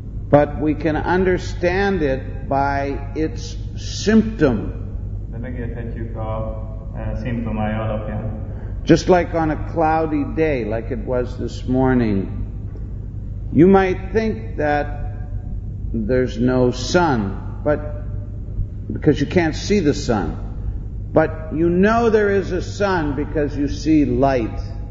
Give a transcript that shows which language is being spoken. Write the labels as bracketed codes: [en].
[en] But we can understand it by its symptom. [hu] De megérthetjük a szimptomája alapján. [en] Just like on a cloudy day, like it was this morning, you might think that there's no sun, but because you can't see the sun. But you know there is a sun because you see light.